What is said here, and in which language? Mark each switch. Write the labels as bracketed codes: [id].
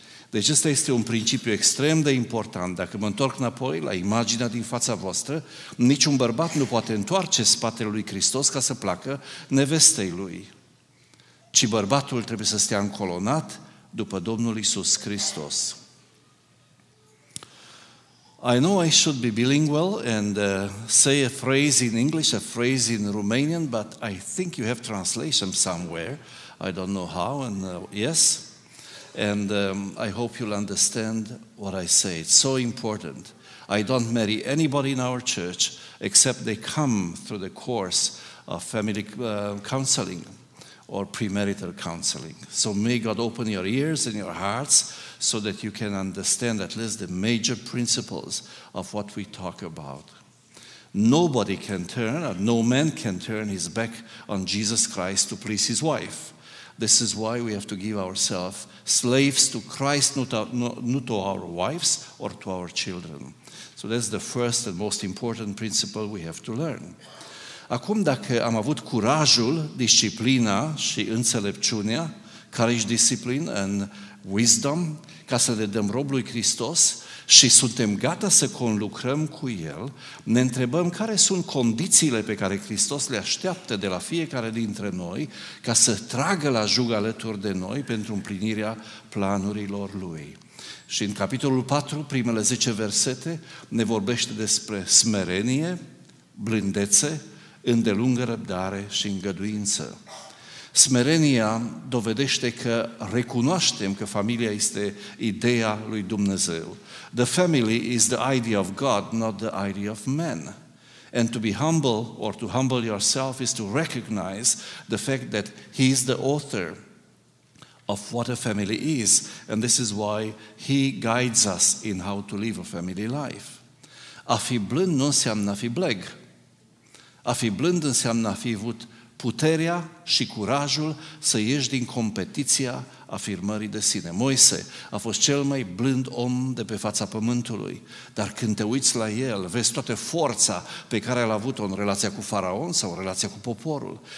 [ro] Deci ăsta este un principiu extrem de important. Dacă mă întorc înapoi la imaginea din fața voastră, niciun bărbat nu poate întoarce spatele lui Hristos ca să placă nevestei lui, ci bărbatul trebuie să stea încolonat după Domnul Iisus Hristos. [en] I know I should be bilingual and say a phrase in English, a phrase in Romanian, but I think you have translation somewhere. I don't know how, and yes. And I hope you'll understand what I say. It's so important. I don't marry anybody in our church except they come through the course of family counseling or premarital counseling. So may God open your ears and your hearts so that you can understand at least the major principles of what we talk about. Nobody can turn, or no man can turn his back on Jesus Christ to please his wife. This is why we have to give ourselves slaves to Christ, not to our wives or to our children. So that's the first and most important principle we have to learn. [ro] Acum, dacă am avut curajul, disciplina și înțelepciunea, [en] courage, discipline and wisdom, [ro] ca să le dăm rob lui Hristos și suntem gata să conlucrăm cu El, ne întrebăm care sunt condițiile pe care Hristos le așteaptă de la fiecare dintre noi ca să tragă la jug alături de noi pentru împlinirea planurilor Lui. Și în capitolul 4, primele 10 versete, ne vorbește despre smerenie, blândețe, îndelungă răbdare și îngăduință. Smerenia dovedește că recunoaștem că familia este ideea lui Dumnezeu. [en] The family is the idea of God, not the idea of man. And to be humble or to humble yourself is to recognize the fact that he is the author of what a family is. And this is why he guides us in how to live a family life. [ro] A fi blând nu înseamnă a fi bleg. A fi blând înseamnă a fi avut puterea și curajul să ieși din competiția afirmării de sine. Moise a fost cel mai blând om de pe fața pământului, dar când te uiți la el, vezi toată forța pe care l-a avut-o în relația cu Faraon sau în relația cu poporul.